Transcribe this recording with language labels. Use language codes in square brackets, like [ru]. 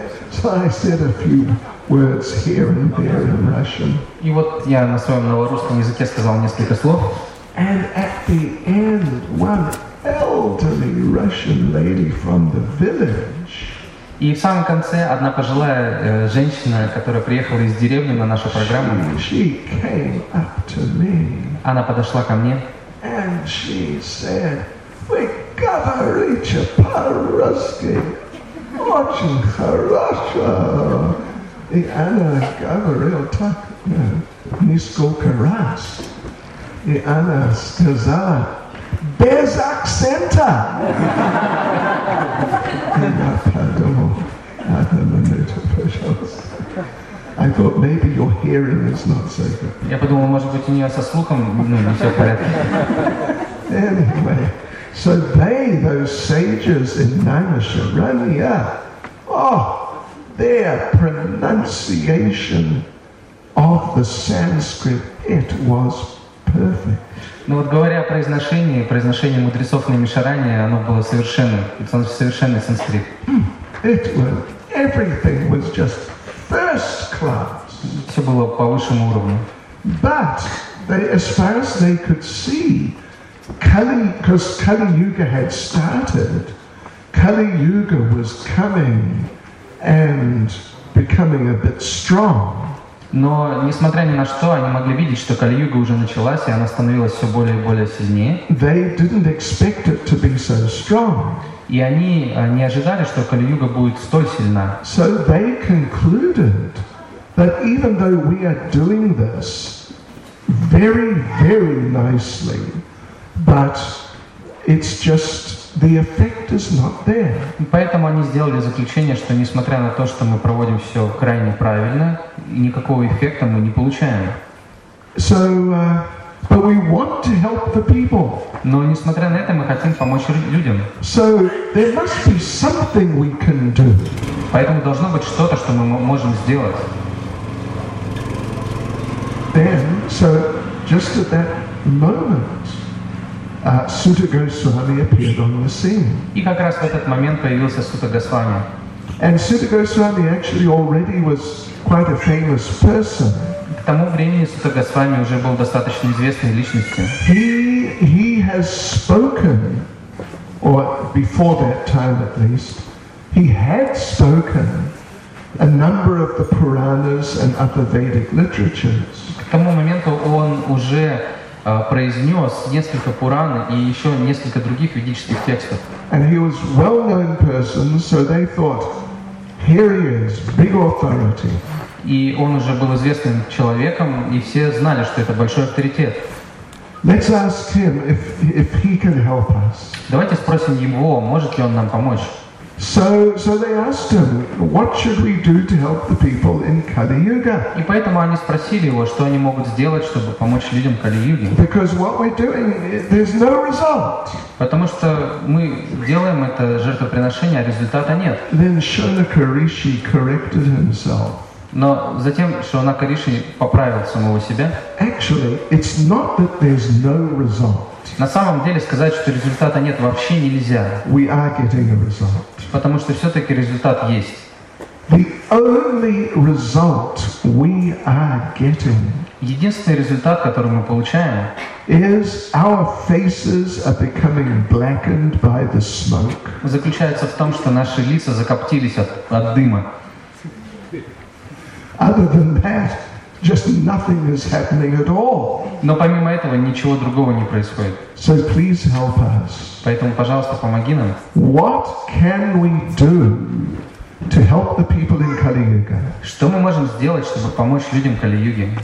[en] So I said a few words here and there in Russian. [ru] И вот я на своем новорусском языке сказал несколько слов. [en] And at the end, one elderly Russian lady from the village. [ru] И в самом конце одна пожилая женщина, которая приехала из деревни на нашу программу. [en] She came up to me. [ru] Она подошла ко мне. [en] And she said, [ru] "Вы говорите по-русски очень хорошо." И она говорила так, несколько раз. И она сказала, без акцента. И я подумал, одну минуту, пожалуйста. [en] I thought maybe your hearing is not so good. [ru] Я подумал, может быть, у нее со слухом, ну, не все в порядке. [en] Anyway, so they, those sages in Naimisharanya, oh, their pronunciation of the Sanskrit, it was perfect. [ru] Ну вот говоря о произношении, мудрецов Наймишараньи, оно было совершенным, совершенный санскрит. [en] It was, everything was just first class. [ru] Все было по высшему уровню. [en] But they, as far as they could see, Kali, because Kali Yuga had started, Kali Yuga was coming and becoming a bit strong. [ru] Но, несмотря ни на что, они могли видеть, что Кали-Юга уже началась, и она становилась все более и более сильнее. [en] They didn't expect it to be so strong. [ru] И они не ожидали, что Кали-Юга будет столь сильна. [en] So they concluded that even though we are doing this very, very nicely, but it's just the effect is not there. [ru] Поэтому они сделали заключение, что несмотря на то, что мы проводим все крайне правильно, никакого эффекта мы не получаем. [en] So, but we want to help the people. [ru] Но несмотря на это, мы хотим помочь людям. [en] So there must be something we can do. [ru] Поэтому должно быть что-то, что мы можем сделать. [en] Then, so just at that moment, Sutta Goswami appeared on the scene. [ru] И как раз в этот момент появился Сута Госвами. [en] And Sutta Goswami actually already was quite a famous person. [ru] К тому времени Сута Госвами уже был достаточно известной личностью. [en] He has spoken, or before that time at least, he had spoken a number of the Puranas and other Vedic literatures. [ru] К тому моменту он уже произнес несколько Пуран и еще несколько других ведических текстов. [en] And he was well known person, so they thought Here he is, big authority. [ru] И он уже был известным человеком, и все знали, что это большой авторитет. [en] Let's ask him if he can help us. [ru] Давайте спросим его, может ли он нам помочь. [en] So they asked him, what should we do to help the people in Kali Yuga? [ru] И поэтому они спросили его, что они могут сделать, чтобы помочь людям Кали Юги. [en] Because what we're doing, there's no result. [ru] Потому что мы делаем это жертвоприношение, а результата нет. [en] Then Shonaka Rishi corrected himself. [ru] Но затем Шонака Риши поправил самого себя. [en] Actually, it's not that there's no result. [ru] На самом деле сказать, что результата нет, вообще нельзя. [en] We are getting a result. [ru] Потому что все-таки результат есть. [en] The only result we are getting. [ru] Единственный результат, который мы получаем, [en] is our faces are becoming blackened by the smoke. [ru] Заключается в том, что наши лица закоптились от дыма. [en] Other than that, just nothing is happening at all. [ru] Но помимо этого ничего другого не происходит. [en] So please help us. [ru] Поэтому, пожалуйста, помоги нам. [en] What can we do to help the people in Kali Yuga? [ru] Что мы можем сделать, чтобы помочь людям Кали Юги?